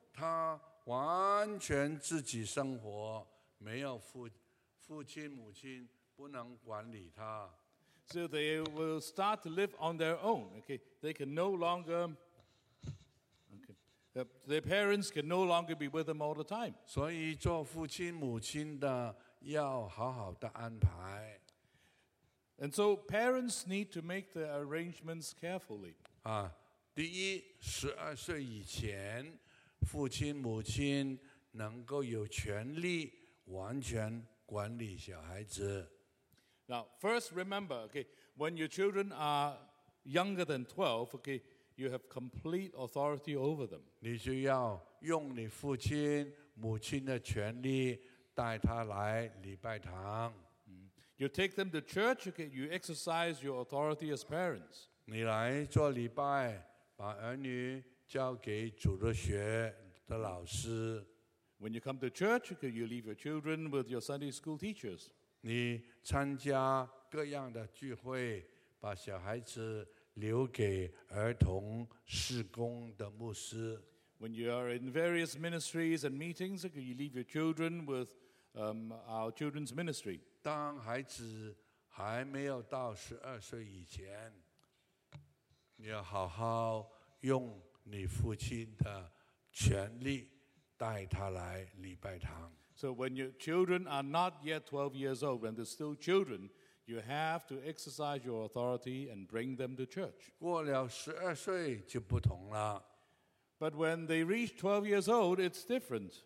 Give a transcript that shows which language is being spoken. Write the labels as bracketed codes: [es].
[zh] 他完全自己生活，没有父亲母亲不能管理他。 [en] So they will start to live on their own. Okay, they can no longer. Okay, their parents can no longer be with them all the time. [zh] 所以做父亲母亲的要好好的安排。 [en] And so parents need to make the arrangements carefully. [zh] 第一，十二岁以前，父亲母亲能够有权利完全管理小孩子。 [en] Now, first remember, okay, when your children are younger than 12, okay, you have complete authority over them. [zh] 你就要用你父亲母亲的权利带他来礼拜堂。 [en] You take them to church, okay, you exercise your authority as parents. [zh] 你来做礼拜，把儿女交给主日学的老师。 [en] When you come to church, okay, you leave your children with your Sunday school teachers. [zh] 你参加各样的聚会，把小孩子留给儿童事工的牧师。 [en] When you are in various ministries and meetings, okay, you leave your children with our children's ministry. [zh] 当孩子还没有到十二岁以前，你要好好用你父亲的权力带他来礼拜堂。 [en] So when your children are not yet 12 years old, when they're still children, you have to exercise your authority and bring them to church. [zh] 过了十二岁就不同了。 [en] But when they reach 12 years old, it's different.